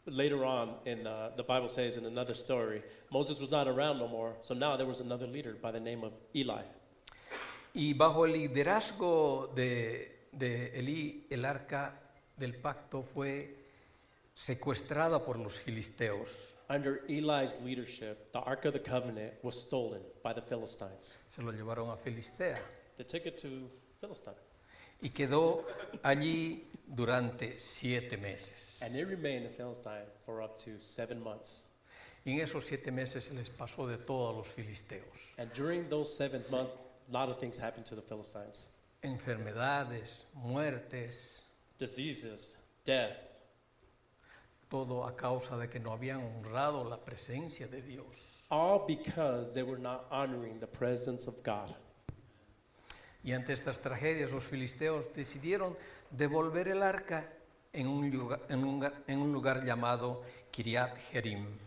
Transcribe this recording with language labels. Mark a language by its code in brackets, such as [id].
[en] Later on, the Bible says in another story, Moses was not around no more, so now there was another leader by the name of Eli. [es] Y bajo el liderazgo de Elí, el arca del pacto fue secuestrada por los filisteos. [en] Under Eli's leadership, the Ark of the Covenant was stolen by the Philistines. [es] Se lo llevaron a Filistea. [en] They took it to Philistine. [es] Y quedó allí durante 7 meses. [en] And it remained in Philistine for up to 7 months. [es] Y en esos 7 meses se les pasó de todo a los filisteos. [en] And during those 7 months, a lot of things happened to the Philistines. [es] Enfermedades, muertes. [en] Diseases, deaths. [es] Todo a causa de que no habían honrado la presencia de Dios. [en] All because they were not honoring the presence of God. [es] Y ante estas tragedias, los filisteos decidieron devolver el arca en un lugar llamado Kiriat Jerim.